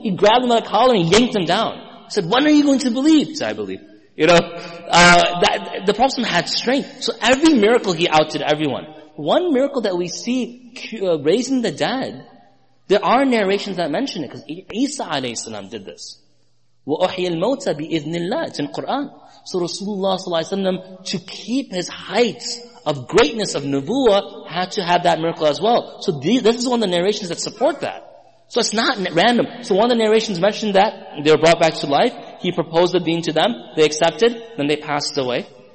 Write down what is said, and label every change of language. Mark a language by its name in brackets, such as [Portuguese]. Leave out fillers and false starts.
[English] He grabbed him by the collar and yanked him down. He said, when are you going to believe? He said, I believe. You know, that the Prophet had strength. So every miracle he outdid everyone. One miracle that we see raising the dead, there are narrations that mention it because Isa alayhi salam did this. [Arabic] وَأُحْيَى الْمَوْتَى بِإِذْنِ اللَّهِ [English] It's in Qur'an. So Rasulullah sallallahu alayhi wa sallam, to keep his height of greatness of nubuwwah, had to have that miracle as well. So this is one of the narrations that support that. So it's not random. So one of the narrations mentioned that they were brought back to life. He proposed the deen to them. They accepted. Then they passed away.